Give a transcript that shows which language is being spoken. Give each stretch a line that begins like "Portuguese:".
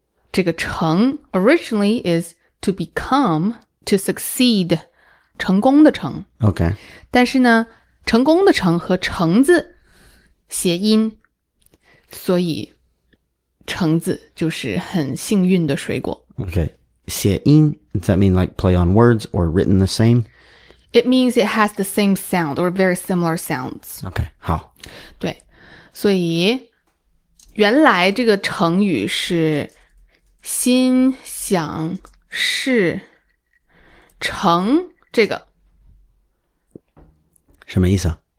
Chinese: 这个成
English: originally is to become to succeed
Chinese: 成功的成
English: OK
Chinese: 但是呢成功的成和橙子谐音所以橙子就是很幸运的水果
English: OK
Chinese: 谐音
English: Does that mean like play on words or written the same? It means it has the same sound or very similar sounds. Okay,
Chinese: 好。对，所以原来这个成语是心想事成这个。什么意思啊